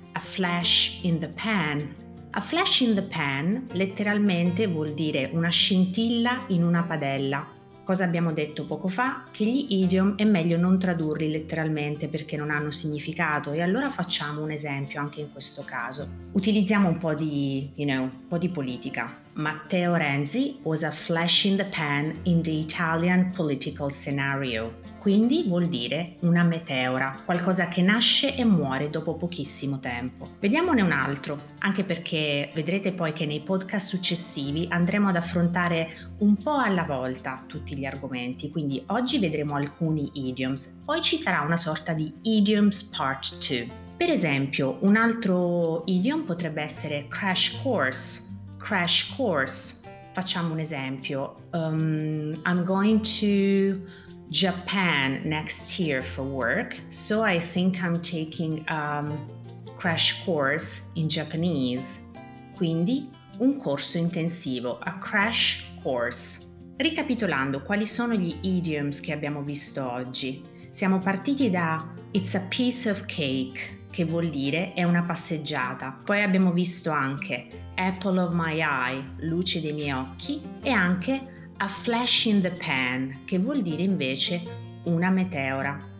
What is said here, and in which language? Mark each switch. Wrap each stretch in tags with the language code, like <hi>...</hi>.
<en>A flash in the pan. A flash in the pan</en> <it>letteralmente vuol dire una scintilla in una padella. Cosa abbiamo detto poco fa? Che gli idiom è meglio non tradurli letteralmente perché non hanno significato e allora facciamo un esempio anche in questo caso. Utilizziamo un po' di, un po' di politica.</it> <en>Matteo Renzi was a flash in the pan in the Italian political scenario.</en> <it>Quindi vuol dire una meteora, qualcosa che nasce e muore dopo pochissimo tempo. Vediamone un altro, anche perché vedrete poi che nei podcast successivi andremo ad affrontare un po' alla volta tutti gli argomenti, quindi oggi vedremo alcuni idioms, poi ci sarà una sorta di idioms part 2. Per esempio, un altro idiom potrebbe essere crash course. Crash course. Facciamo un esempio.</it> <en>I'm going to Japan next year for work, so I think I'm taking a crash course in Japanese.</en> <it>Quindi un corso intensivo, a crash course. Ricapitolando, quali sono gli idioms che abbiamo visto oggi? Siamo partiti da</it> <en>it's a piece of cake,</en> <it>che vuol dire è una passeggiata. Poi abbiamo visto anche</it> <en>apple of my eye,</en> <it>luce dei miei occhi, e anche</it> <en>a flash in the pan,</en> <it>che vuol dire invece una meteora.</it>